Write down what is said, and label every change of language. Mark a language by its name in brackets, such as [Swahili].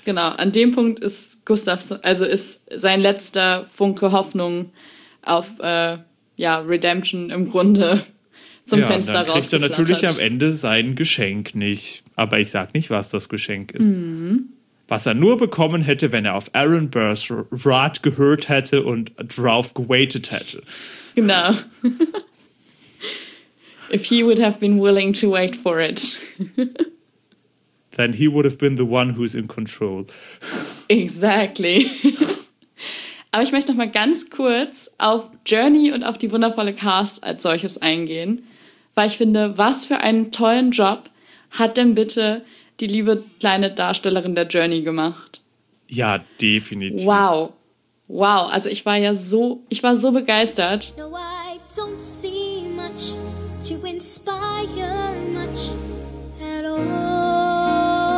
[German] Genau, an dem Punkt ist Gustafsson, also ist sein letzter Funke Hoffnung auf Redemption im Grunde zum Fenster rausgeflattert. Ja, dann kriegt er natürlich am Ende sein Geschenk nicht. Aber ich sag nicht, was das Geschenk ist. Was er nur bekommen hätte, wenn er auf Aaron Burrs Rat gehört hätte und drauf gewaitet hätte. Genau. [English] If he would have been willing to wait for it. Then he would have been the one who's in control. Exactly. [German] Aber ich möchte noch mal ganz kurz auf Journey und auf die wundervolle Cast als solches eingehen, weil ich finde, was für einen tollen Job hat denn bitte die liebe kleine Darstellerin der Journey gemacht? Ja, definitiv. Wow. Wow, also ich war ja so, ich war so begeistert. [English] No, I don't see much to inspire much at all.